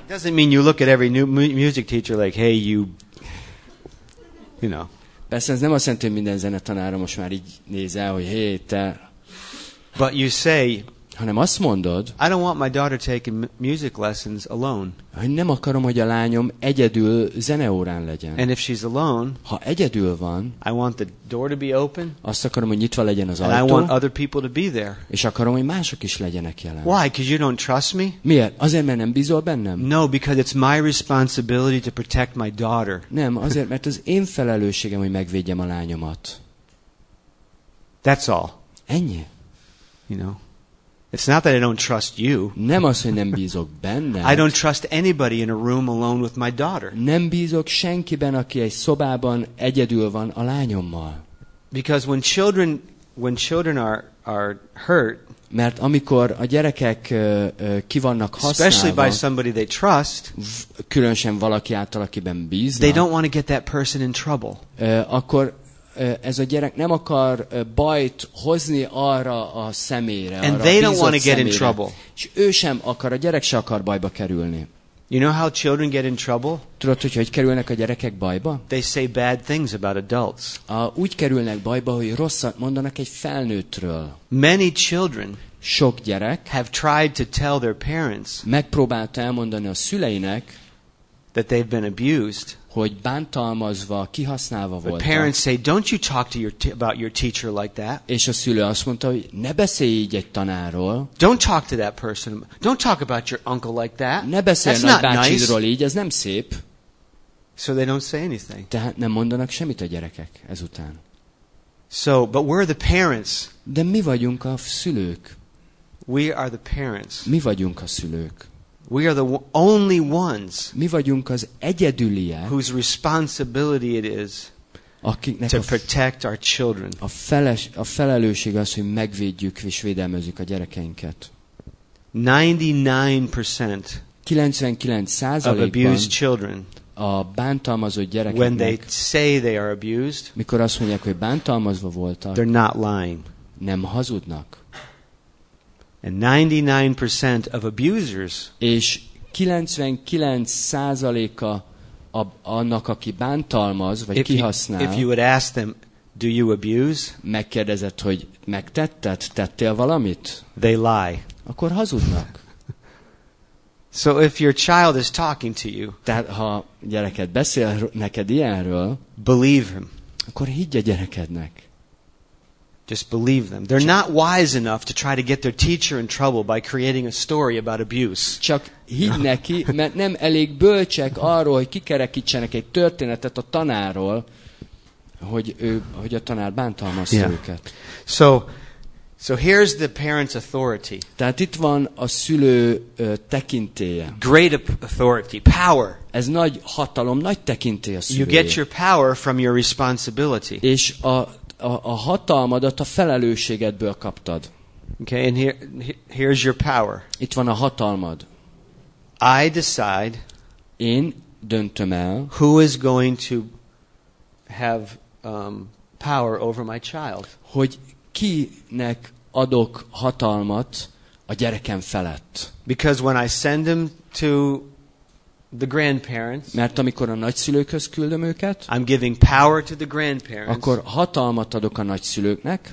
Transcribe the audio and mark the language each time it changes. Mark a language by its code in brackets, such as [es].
[en] Doesn't mean you look at every new music teacher like, hey, you know. [hu] Persze ez nem azt jelenti, hogy minden zenetanára most már így nézel, hogy hé, te. [en] But you say, [hu] hanem azt mondod, [en] I don't want my daughter taking music lessons alone. [hu] Hogy nem akarom, hogy a lányom egyedül zeneórán legyen. [en] And if she's alone, [hu] ha egyedül van, [en] I want the door to be open. [hu] Azt akarom, hogy nyitva legyen az ajtó. [en] And I want other people to be there. [hu] És akarom, hogy mások is legyenek jelen. [en] Why? Because you don't trust me? [hu] Miért? Azért, mert nem bízol bennem? [en] No, because it's my responsibility to protect my daughter. [hu] Nem, azért, mert az én felelősségem, hogy megvédjem a lányomat. [en] That's all. [hu] Ennyi. [en] You know? It's not that I don't trust you. [hu] Nem az, hogy nem bízok benned. [en] I don't trust anybody in a room alone with my daughter. [hu] Nem bízok senkiben, aki egy szobában egyedül van a lányommal. [en] Because when children are hurt, [hu] mert amikor a gyerekek ki vannak használva, [en] especially by somebody they trust, [hu] különösen valaki által, akiben bíznak, [en] they don't want to get that person in trouble. [hu] Akkor ez a gyerek nem akar bajt hozni arra a személyre, [en] and [hu] arra [en] they [hu] a [en] don't want to get in trouble. [hu] És ő sem akar, a gyerek sem akar bajba kerülni. [en] You know how children get in trouble? [hu] Tudod, hogy kerülnek a gyerekek bajba? [en] They say bad things about adults. [hu] Úgy kerülnek bajba, hogy rosszat mondanak egy felnőttről. [en] Many children [hu] sok gyerek [en] have tried to tell their parents [hu] megpróbálta elmondani a szüleinek [en] that they've been abused. [hu] Hogy bántalmazva, kihasználva voltak. [en] The parents say, "Don't you talk to your about your teacher like that?" [hu] És a szülő azt mondta, hogy ne beszélj így egy tanárról. [en] Don't talk to that person. Don't talk about your uncle like that. [hu] Ne beszélj nagybácsidról így, ez nem szép. [en] So they don't say anything. [hu] Tehát nem mondanak semmit a gyerekek ezután. [en] So, but we're the parents. [hu] De mi vagyunk a szülők. [en] We are the parents. [hu] Mi vagyunk a szülők. [en] We are the only ones. [hu] Mi vagyunk az egyedüliek. [en] Whose responsibility it is to protect our children. [hu] A felelősség az, hogy megvédjük és védelmezzük a gyerekeinket. [en] 99% [hu] 99% [en] of abused children. [hu] A bántalmazott gyerekeknek. [en] When they say they are abused. [hu] Mikor azt mondják, hogy bántalmazva voltak. [en] They're not lying. [hu] Nem hazudnak. [en] And 99% of abusers. [hu] És 99%-a annak, aki bántalmaz vagy kihasznál. [en] If you would ask them, do you abuse? [hu] Megkérdezett, hogy megtetted, tettél valamit? [en] They lie. [hu] Akkor hazudnak. [en] So if your child is talking to you, [hu] tehát ha gyereked beszél neked ilyenről, [en] believe him. [hu] Akkor higgy a gyerekednek. [en] Just believe them. They're not wise enough to try to get their teacher in trouble by creating a story about abuse. [hu] Csak hidd neki, mert nem elég bölcsek arról, hogy kikerekítsenek egy történetet a tanárról, hogy ő, hogy a tanár bántalmazta őket. [en] So here's the parent's authority. [hu] Tehát itt van a szülő tekintélye. [en] Great authority, power. [hu] Ez nagy hatalom, nagy tekintély a szülő. [en] You get your power from your responsibility. [hu] És a hatalmadat a felelősségedből kaptad. [en] Okay, and here's your power. [hu] Itt van a hatalmad. [en] I decide. [hu] Én döntöm el. [en] Who is going to have power over my child? [hu] Hogy kinek adok hatalmat a gyerekem felett? [en] Because when I send him to the grandparents. [hu] Mert amikor a nagyszülőkhöz küldöm őket. [en] I'm giving power to the grandparents. [hu] Akkor hatalmat adok a nagyszülőknek.